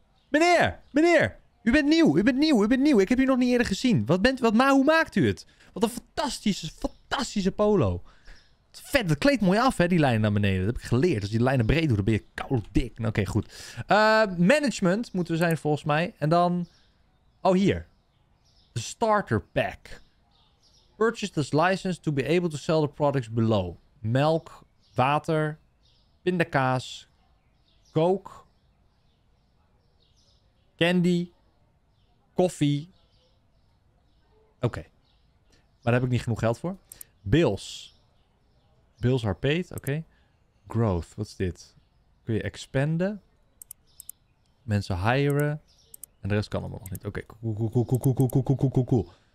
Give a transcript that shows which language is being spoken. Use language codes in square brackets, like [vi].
[nl] Meneer, meneer. U bent nieuw, u bent nieuw, u bent nieuw. Ik heb u nog niet eerder gezien. Hoe maakt u het? Wat een fantastische, fantastische polo. Wat vet, dat kleedt mooi af, hè, die lijnen naar beneden. Dat heb ik geleerd. Als je die lijnen breed doet, dan ben je koud dik. Oké, goed. Management moeten we zijn, volgens mij. En dan... Oh, hier. [en] The starter pack. Purchase this license to be able to sell the products below. [nl] Melk, water, pindakaas, coke, candy, koffie. Oké. Maar daar heb ik niet genoeg geld voor. [en] Bills. Bills are paid. Oké. Okay. Growth. [nl] Wat is dit? Kun je expanden. Mensen hiren. En de rest kan allemaal nog niet. Oké. Okay. [en] Cool, cool, cool, cool, cool, cool, cool, cool, cool, cool.